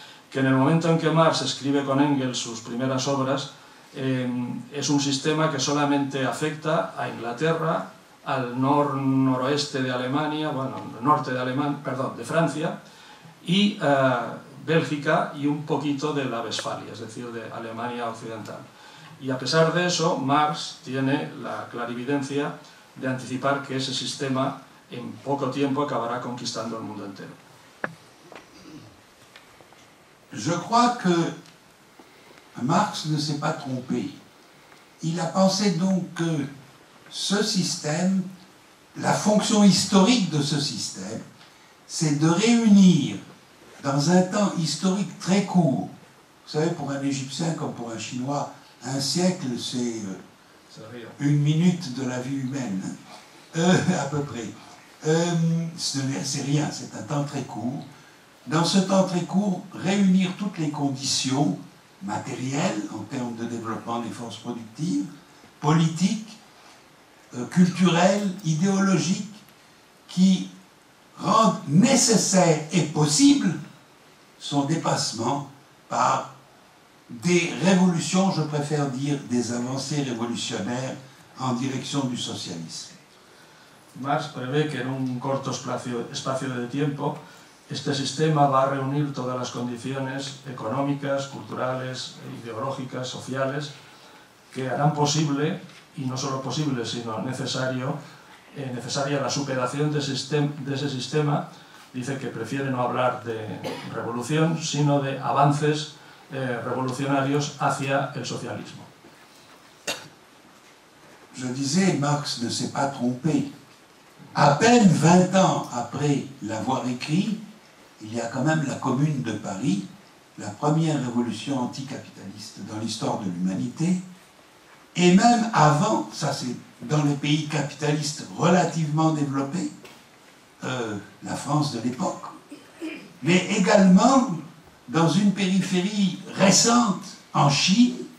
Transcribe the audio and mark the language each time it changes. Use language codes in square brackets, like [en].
[es] que en el momento en que Marx escribe con Engels sus primeras obras, es un sistema que solamente afecta a Inglaterra, al noroeste de Alemania, bueno, norte de Alemania, perdón, de Francia, y Bélgica y un poquito de la Westfalia, es decir, de Alemania Occidental. Y a pesar de eso, Marx tiene la clarividencia de anticipar que ese sistema en poco tiempo acabará conquistando el mundo entero. [fr] Je crois que Marx ne s'est pas trompé. Il a pensé donc que ce système, la fonction historique de ce système, c'est de réunir dans un temps historique très court. Vous savez, pour un Égyptien comme pour un Chinois, un siècle, c'est une minute de la vie humaine, à peu près. C'est rien, c'est un temps très court. Dans ce temps très court, réunir toutes les conditions matérielles en termes de développement des forces productives, politiques, culturelles, idéologiques, qui rendent nécessaire et possible son dépassement par des révolutions, je préfère dire des avancées révolutionnaires en direction du socialisme. [es] Marx prevé que en un corto espacio de tiempo este sistema va a reunir todas las condiciones económicas, culturales, ideológicas, sociales que harán posible, y no solo posible, sino necesario, necesaria la superación de ese sistema. Dice que prefiere no hablar de revolución, sino de avances revolucionarios hacia el socialismo. [fr] Je disais, Marx ne s'est pas trompé. À peine 20 ans après l'avoir écrit, il y a quand même la Commune de Paris, la première révolution anticapitaliste dans l'histoire de l'humanité. Et même avant, ça c'est dans les pays capitalistes relativement développés, la France de l'époque, mais également dans une périphérie récente en Chine,